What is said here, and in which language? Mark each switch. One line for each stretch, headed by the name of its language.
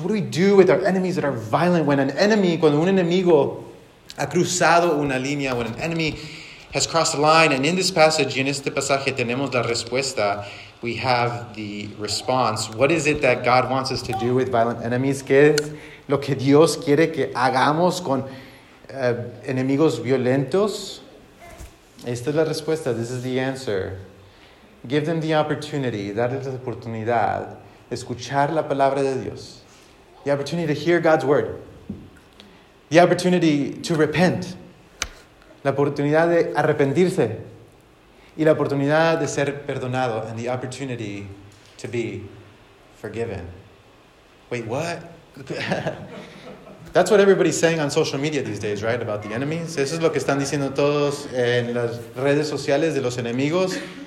English: What do we do with our enemies that are violent?
Spanish: Cuando un enemigo ha cruzado una línea,
English: when an enemy has crossed a line, and in this passage,
Spanish: en este pasaje, tenemos la respuesta.
English: We have the response. What is it that God wants us to do with violent enemies?
Spanish: ¿Qué es lo que Dios quiere que hagamos con enemigos violentos? Esta es la respuesta.
English: This is the answer. Give them the opportunity.
Spanish: Darles la oportunidad. Escuchar la palabra de Dios.
English: The opportunity to hear God's word. The opportunity to repent.
Spanish: La oportunidad de arrepentirse. Y la oportunidad de ser perdonado.
English: And the opportunity to be forgiven. Wait, what? That's what everybody's saying on social media these days, right? About the enemies.
Spanish: Eso es lo que están diciendo todos en las redes sociales de los enemigos.